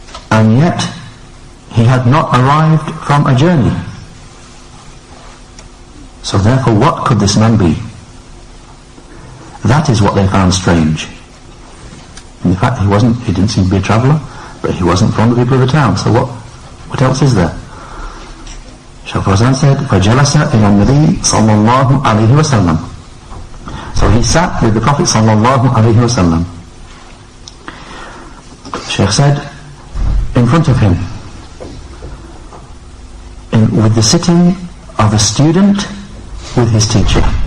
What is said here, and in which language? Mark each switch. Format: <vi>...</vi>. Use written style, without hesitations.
<en>And yet he had not arrived from a journey. So therefore what could this man be? That is what they found strange. In fact he didn't seem to be a traveller, but he wasn't from the people of the town. So what else is there? Shaykh al-Fawzan said,</en> <ar>فَجَلَسَ إِلَى النَّبِيِّ صَلَّى اللَّهُ عَلَيْهِ وَسَلَّمْ.</ar> <en>So he sat with the Prophet</en> <ar>صلى الله عليه وسلم.</ar> <en>Shaykh said, in front of him, with the sitting of a student with his teacher.</en>